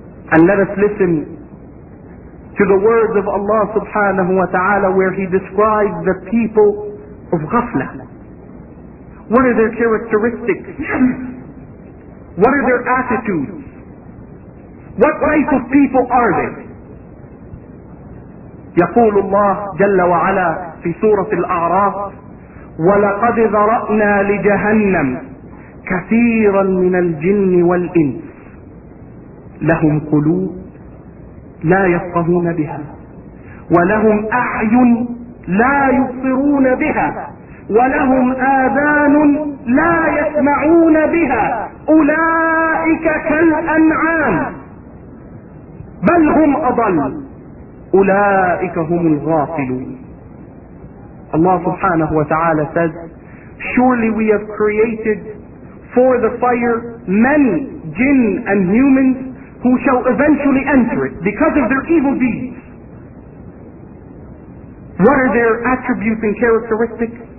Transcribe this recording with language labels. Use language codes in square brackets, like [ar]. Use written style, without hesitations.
[en] And let us listen to the words of Allah subhanahu wa ta'ala, where he describes the people of ghafla. What are their characteristics? What are their attitudes? What type of people are they? [ar] يقول الله جل وعلا في سورة الأعراف ولقد ذرأنا لجهنم كثيرا من الجن والإنس لهم قلوب لا يفقهون بها ولهم أعين لا يبصرون بها ولهم آذان لا يسمعون بها أولئك كالأنعام بل هم أضل أولئك هم الغافلون. [en] Allah subhanahu wa ta'ala says, surely we have created for the fire men, jinn and humans who shall eventually enter it because of their evil deeds. What are their attributes and characteristics?